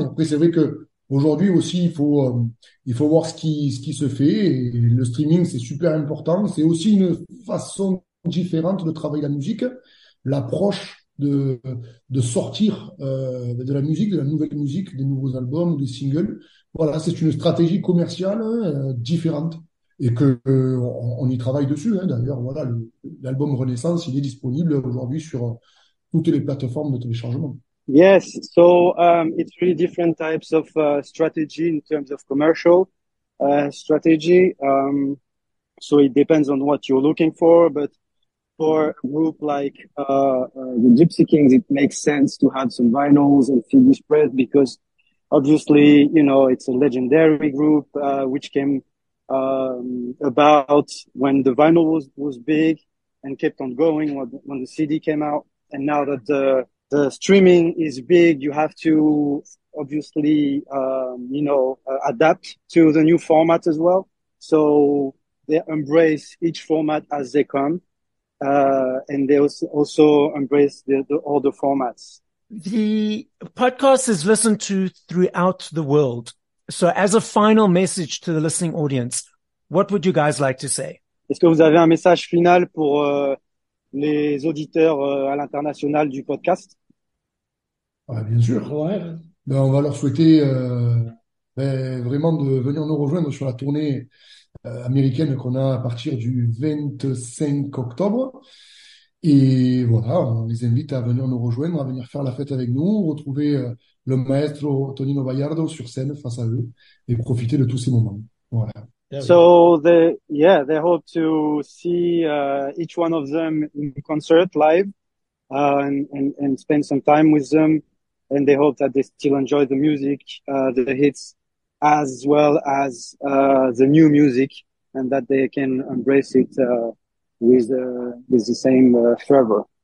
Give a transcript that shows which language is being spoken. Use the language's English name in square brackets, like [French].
[French] Et après c'est vrai que aujourd'hui aussi il faut voir ce qui se fait, et le streaming c'est super important, c'est aussi une façon différente de travailler la musique, l'approche de sortir de la musique, de la nouvelle musique, des nouveaux albums, des singles. Voilà, c'est une stratégie commerciale différente et qu'on y travaille dessus. Hein. D'ailleurs, voilà, l'album Renaissance, il est disponible aujourd'hui sur toutes les plateformes de téléchargement. [English] Yes, so it's really different types of strategy in terms of commercial strategy. So it depends on what you're looking for, but for a group like the Gypsy Kings, it makes sense to have some vinyls and CD spread because obviously, it's a legendary group which came about when the vinyl was big and kept on going when the CD came out. And now that the streaming is big, you have to obviously, adapt to the new format as well. So they embrace each format as they come. And they also embrace all the formats. The podcast is listened to throughout the world. So as a final message to the listening audience, what would you guys like to say? [French] Est-ce que vous avez un message final pour les auditeurs à l'international du podcast? Ouais, bien sûr. Ouais. Ben, on va leur souhaiter vraiment de venir nous rejoindre sur la tournée américaine qu'on a à partir du 25 octobre. Et voilà, on les invite à venir nous rejoindre, à venir faire la fête avec nous, retrouver le maestro Tonino Bayardo sur scène face à eux et profiter de tous ces moments. Voilà. [English] So they hope to see each one of them in concert live and spend some time with them and they hope that they still enjoy the music, the hits, as well as the new music, and that they can embrace it with the same fervor.